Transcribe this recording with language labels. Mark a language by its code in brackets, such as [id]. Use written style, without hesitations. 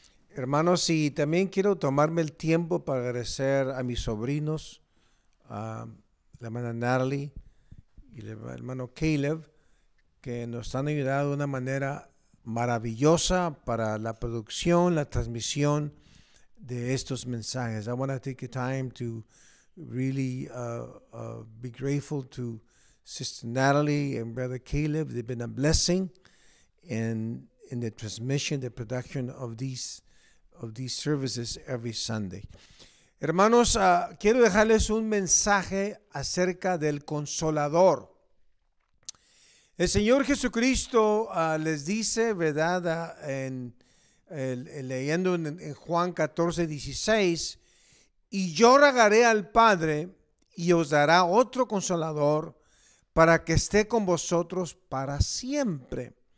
[es] Hermanos, y también quiero tomarme el tiempo para agradecer a mis sobrinos, a la hermana Natalie y el hermano Caleb, que nos han ayudado de una manera maravillosa para la producción, la transmisión de estos mensajes. [en] I want to take the time to really be grateful to Sister Natalie and Brother Caleb. They've been a blessing in the transmission, the production of these services every Sunday. [es] Hermanos, quiero dejarles un mensaje acerca del Consolador. El Señor Jesucristo les dice, ¿verdad? Leyendo en Juan 14, 16, y yo rogaré al Padre y os dará otro Consolador para que esté con vosotros para siempre.